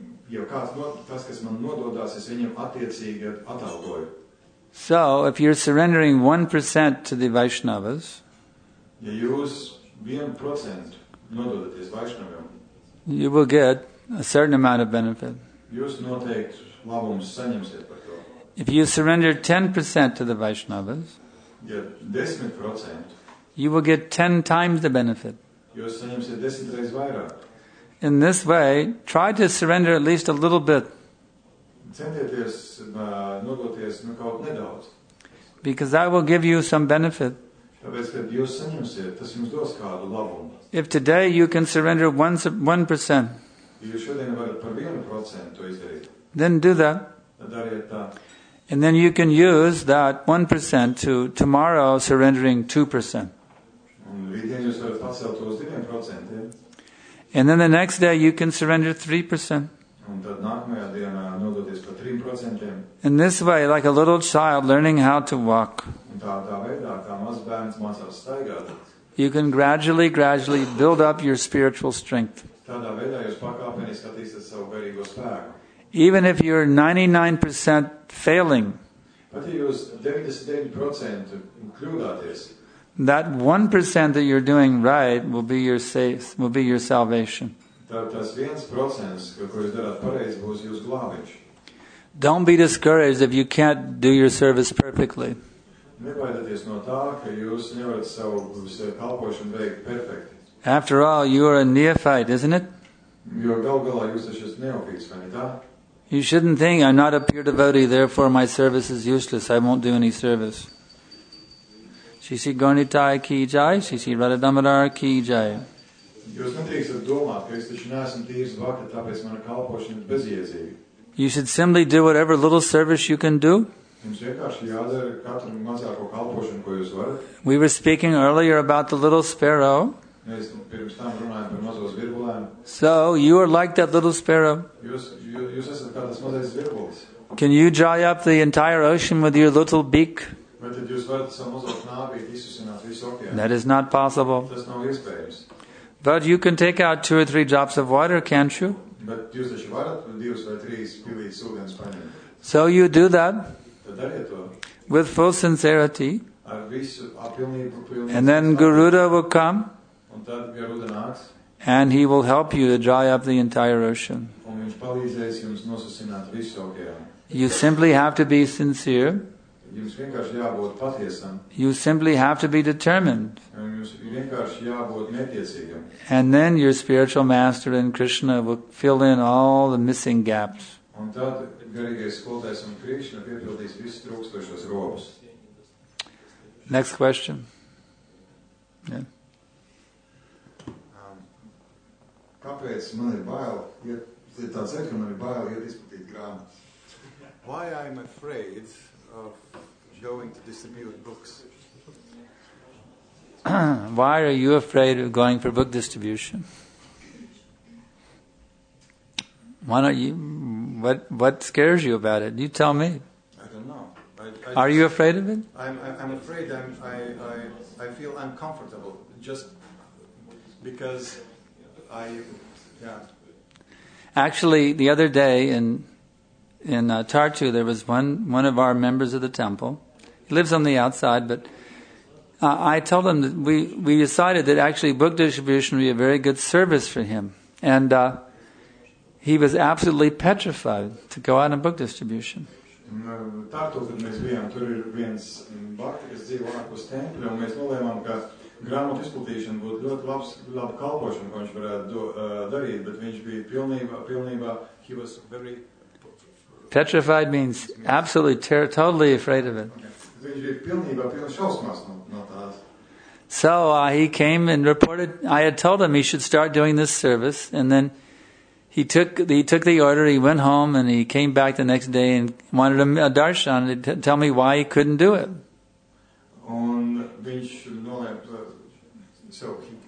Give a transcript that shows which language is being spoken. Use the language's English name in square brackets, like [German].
[Latvian] Jo kāds tas, kas man nododās, es viņam attiecīgi atalgoju. [English] So, if you're surrendering 1% to the Vaishnavas, [Latvian] ja jūs 1% nododaties Vaishnaviem, [English] you will get a certain amount of benefit. [Latvian] Jūs noteikti labumus saņemsiet par to. [English] If you surrender 10% to the Vaishnavas, [Latvian] ja 10%, [English] you will get 10 times the benefit. [Latvian] Jūs saņemsiet 10 reizes vairāk. [English] In this way, try to surrender at least a little bit. [Latvian] Centieties nodoties kaut nedaudz. [English] Because that will give you some benefit. [Latvian] Tāpēc, kad jūs saņemsiet, tas jums dos kādu labumu. [English] If today you can surrender 1%, [Latvian] jūs šodien varat par 1% to izdarīt. [English] Then do that. [Latvian] Dariet tā. [English] And then you can use that 1% to tomorrow surrendering 2%. [Latvian] Un rītdien jūs varat pacelt tos 2%. [English] And then the next day you can surrender 3%. [Latvian] Un tad nākamajā dienā nodoties par 3%. [English] In this way, like a little child learning how to walk. [Latvian] Un tā veidā, kā mazs bērns mācās staigāt. [English] You can gradually build up your spiritual strength. [Latvian] Tādā veidā jūs pakāpeniski attīstāt savu garīgo spēku. [English] Even if you're 99% failing. [Latvian] Pat ja jūs 99% kļūdāties. [English] That 1% that you're doing right will be your salvation. [Latvian] Tas 1%, ko jūs darāt pareizi, būs jūsu glābiņš. [English] Don't be discouraged if you can't do your service perfectly. [Latvian] Nebaidieties no tā, ka jūs nevarat savu kalpošanu veikt perfekti. [English] After all, you are a neophyte, isn't it? [Latvian] Jo gal galā jūs taču esat neofīts, vai ne tā? [English] You shouldn't think, I'm not a pure devotee, therefore my service is useless, I won't do any service. Shishi garnitai ki jai, shishi radadamadar ki jai. [Latvian] Jūs nedrīkstat domāt, ka es taču neesmu tīrs vakti, tāpēc mana kalpošana ir bezjēdzīga. [English] You should simply do whatever little service you can do. [Latvian] Jums vienkārši jādara katru mazāko kalpošanu, ko jūs varat. [English] We were speaking earlier about the little sparrow. [Latvian] Mēs pirms tam runājam par mazos virbulēm. [English] So, you are like that little sparrow. [Latvian] Jūs esat kā tas mazais virbulis. [English] Can you dry up the entire ocean with your little beak? [Latvian] Bet tad jūs varat savu mazo knābīti izsusināt visu okeānu. [English] That is not possible. [Latvian] Tas nav iespējams. [English] But you can take out 2 or 3 drops of water, can't you? [Latvian] Bet jūs taču varat 2 vai 3 pilītes ūdens paņemt. [English] So you do that. [Latvian] Tad dariet to. [English] With full sincerity. [Latvian] Ar visu apilnību. [English] And then Garuda will come. [Latvian] Un tad Garuda nāks. [English] And he will help you to dry up the entire ocean. [Latvian] Un viņš palīdzēs jums nosusināt visu okeānu. [English] You simply have to be sincere. [Latvian] Jums vienkārši jābūt patiesam. [English] You simply have to be determined. [Latvian] Jums vienkārši jābūt netiecīgam. [English] And then your spiritual master and Krishna will fill in all the missing gaps. [Latvian] Un tad garīgais skolotājs un Krishna piepildīs visus trūkstošos robus. [English] Next question. Yeah. [Latvian] Kāpēc man ir bail, ja tā cer, ka man ir bail iet izplatīt grāmatas? [English] Why I'm afraid of going to distribute books? Why are you afraid of going for book distribution? Why don't you? What scares you about it? You tell me. I don't know. Are you afraid of it? I'm afraid. I feel uncomfortable just because I. Yeah. Actually, the other day in Tartu, there was one of our members of the temple. He lives on the outside, but I told him that we decided that actually book distribution would be a very good service for him. And he was absolutely petrified to go out on book distribution. [Latvian] Tartu, kad mēs bijām, tur ir viens bakti, kas dzīvo ārpus templi, un mēs nolēmām, ka grāmatu izplatīšana būtu ļoti laba kalpošana, ko viņš varētu darīt, bet viņš bija pilnībā, [English] he was very... Petrified means absolutely, totally afraid of it. [Latvian] Viņš bija pilnībā pilna šausmās no tās. [English] So he came and reported, I had told him he should start doing this service, and then he took the order, he went home, and he came back the next day and wanted a darshan to tell me why he couldn't do it. [Latvian] Un viņš nolēp,